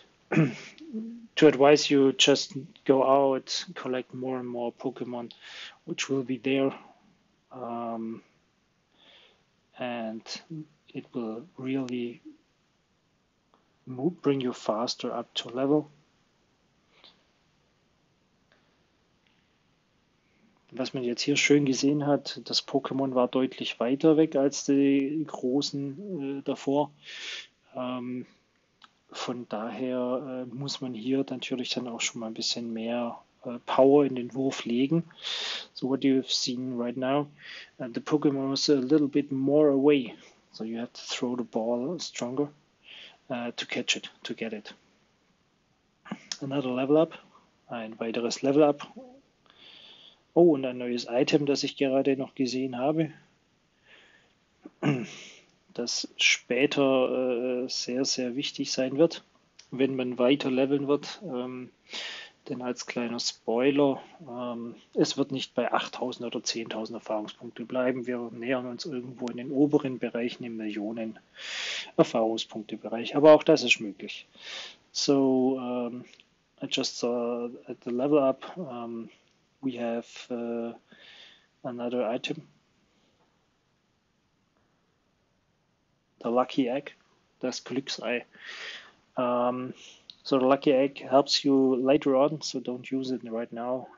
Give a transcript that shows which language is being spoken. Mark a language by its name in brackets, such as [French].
[English] To advise you, just go out, collect more and more Pokemon, which will be there, and it will really bring you faster up to level. [German] Was man jetzt hier schön gesehen hat, das Pokémon war deutlich weiter weg als die großen davor. Von daher muss man hier natürlich dann auch schon mal ein bisschen mehr Power in den Wurf legen. [English] So what you've seen right now, the Pokémon was a little bit more away. So you had to throw the ball stronger to catch it, to get it. Another level up, [German] ein weiteres Level up. Oh, und ein neues Item, das ich gerade noch gesehen habe, das später sehr, sehr wichtig sein wird, wenn man weiter leveln wird. Denn als kleiner Spoiler, es wird nicht bei 8000 oder 10.000 Erfahrungspunkte bleiben. Wir nähern uns irgendwo in den oberen Bereichen im Millionen Erfahrungspunkte-Bereich. Aber auch das ist möglich. [English] So, I just saw at the level up. We have another item, the Lucky Egg, das Glücksei. So the Lucky Egg helps you later on, so don't use it right now.